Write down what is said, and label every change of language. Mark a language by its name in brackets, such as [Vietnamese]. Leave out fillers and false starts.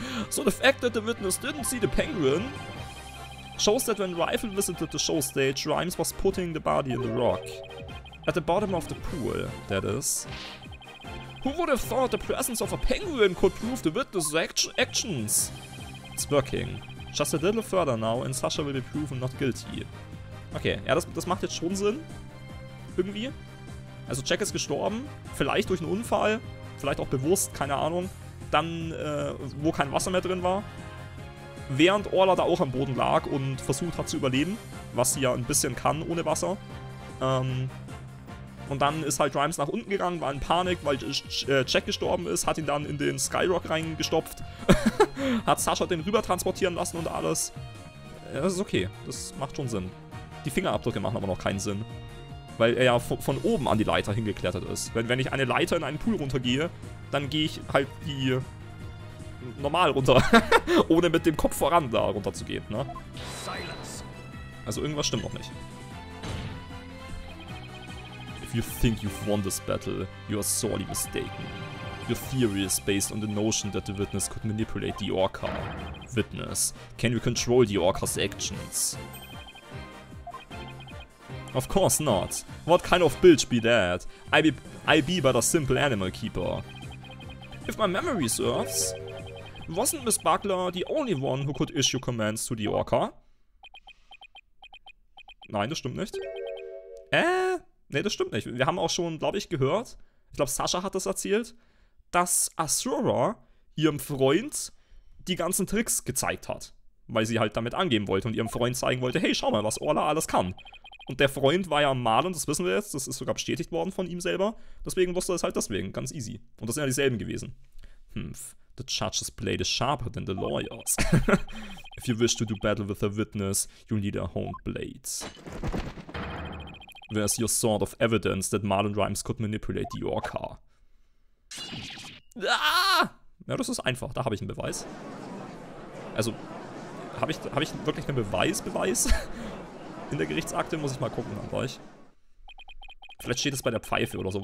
[English] So the fact that the witness didn't see the penguin shows that when Rifle visited the show stage, Rhymes was putting the body in the rock. At the bottom of the pool, that is. Who would have thought the presence of a penguin could prove the witness's actions? It's working. Just a little further now and Sasha will be proven not guilty. [German] Okay, ja, das macht jetzt schon Sinn. Irgendwie. Also Jack ist gestorben, vielleicht durch einen Unfall, vielleicht auch bewusst, keine Ahnung. Dann, wo kein Wasser mehr drin war. Während Orla da auch am Boden lag und versucht hat zu überleben, was sie ja ein bisschen kann ohne Wasser. Und dann ist halt Rhymes nach unten gegangen, war in Panik, weil Jack gestorben ist, hat ihn dann in den Skyrock reingestopft. Hat Sasha den rüber transportieren lassen und alles. Das ist okay, das macht schon Sinn. Die Fingerabdrücke machen aber noch keinen Sinn. Weil er ja von oben an die Leiter hingeklettert ist. Wenn ich eine Leiter in einen Pool runtergehe, dann gehe ich halt die normal runter. Ohne mit dem Kopf voran da runterzugehen, ne? Silence. Also irgendwas stimmt noch nicht. [English] If you think you've won this battle, you are sorely mistaken. Your theory is based on the notion that the witness could manipulate the Orca. Witness, can you control the Orca's actions? Of course not. What kind of bitch be that? I be but a simple animal keeper. If my memory serves, wasn't Miss Buckler the only one who could issue commands to the Orca? [German] Nein, das stimmt nicht. Nee, das stimmt nicht. Wir haben auch schon, glaube ich, gehört, ich glaube, Sasha hat das erzählt, dass Asura ihrem Freund die ganzen Tricks gezeigt hat, weil sie halt damit angeben wollte und ihrem Freund zeigen wollte, hey, schau mal, was Orla alles kann. Und der Freund war ja Marlon, das wissen wir jetzt, das ist sogar bestätigt worden von ihm selber. Deswegen wusste er es halt deswegen, ganz easy. Und das sind ja dieselben gewesen. [English] The judges played is sharper than the lawyers. If you wish to do battle with a witness, you need a honed blade. Where's your sort of evidence that Marlon Rhymes could manipulate the Orca? Ah! [German] Ja, das ist einfach, da habe ich einen Beweis. Also, habe ich wirklich einen Beweis? In der Gerichtsakte muss ich mal gucken, dann gleich. Vielleicht steht es bei der Pfeife oder so.